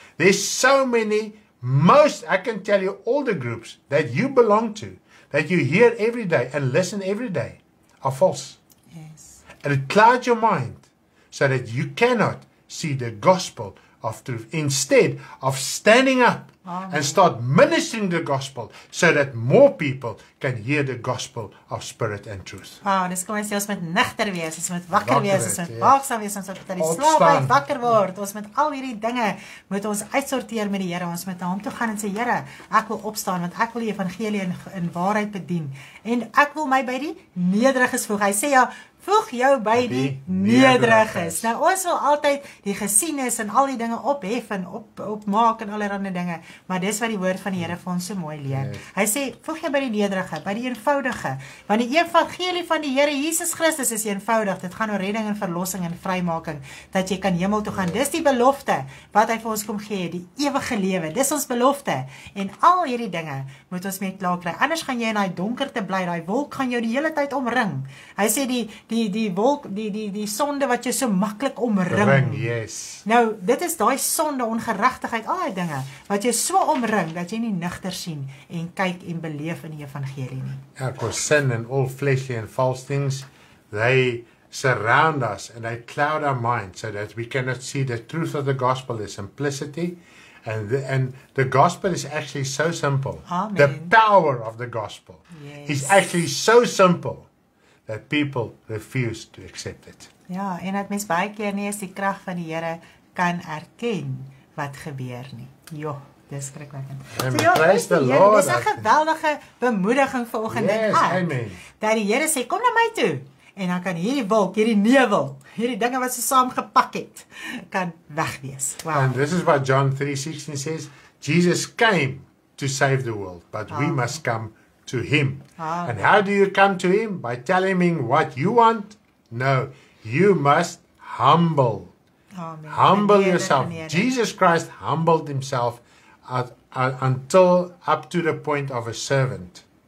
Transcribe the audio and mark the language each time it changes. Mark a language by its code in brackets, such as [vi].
[en] There's so many. Most, I can tell you, all the groups that you belong to, that you hear every day and listen every day, are false. Yes. And it clouds your mind so that you cannot see the gospel of truth. Instead of standing up and start ministering the gospel so that more people can hear the gospel of spirit and truth. [af] Wow, dis kom ons sê ons moet nigter wees, ons moet wakker wees, ons moet waaksaam wees, ons moet dat die slaapheid wakker word. Ons moet al hierdie dinge moet ons uitsorteer met die Here. Ons moet na hom toe gaan en sê Here, ek wil opstaan want ek wil die evangelie in waarheid bedien en ek wil my by die nederiges voeg. Hy sê ja, voeg jou by die nederiges. Nou ons wil altyd die gesienis en al die dinge ophef en opmaak en allerlei dinge. Maar dis wat die woord van die Here vir ons so mooi leer. Hy sê, voeg jou by die nederige, by die eenvoudige. Want die evangelie van die Here Jesus Christus is eenvoudig. Dit gaan oor redding en verlossing en vrymaking. Dat jy kan hemel toe gaan. Dis die belofte wat hy vir ons kom gee. Die ewige lewe. Dis ons belofte. En al hierdie dinge moet ons mee klaar kry. Anders gaan jy in die donkerte bly. Die wolk gaan jou die hele tyd omring. Hy sê die wolk, die sonde wat jou so maklik omring. Nou, dit is die sonde, ongeregtigheid, al die dinge, wat jy so omring, dat jy nie nigter sien, en kyk en beleef in die evangelie nie. [en] Ja, because sin and all fleshly and false things, they surround us, and they cloud our minds, so that we cannot see the truth of the gospel, the simplicity, and the gospel is actually so simple. Amen. The power of the gospel is actually so simple, that people refuse to accept it. [af] Ja, en dat mens baie keer nie is die krag van die Here kan erken wat gebeur nie. Jo, dis skrikwekkend. [en] Praise the Lord. [af] Dis 'n geweldige bemoediging vir oggend. [en] Yes, amen. [af] Dat die Here sê, kom na my toe. En dan kan hierdie wolk, hierdie nevel, hierdie dinge wat sy saam gepak het, kan wegwees. [en] Wow. And this is what John 3:16 says, Jesus came to save the world, but we must come to him. Amen. And how do you come to him? By telling him what you want? No, you must humble. Amen. Humble Amen. Yourself. Amen. Jesus Christ humbled himself until up to the point of a servant.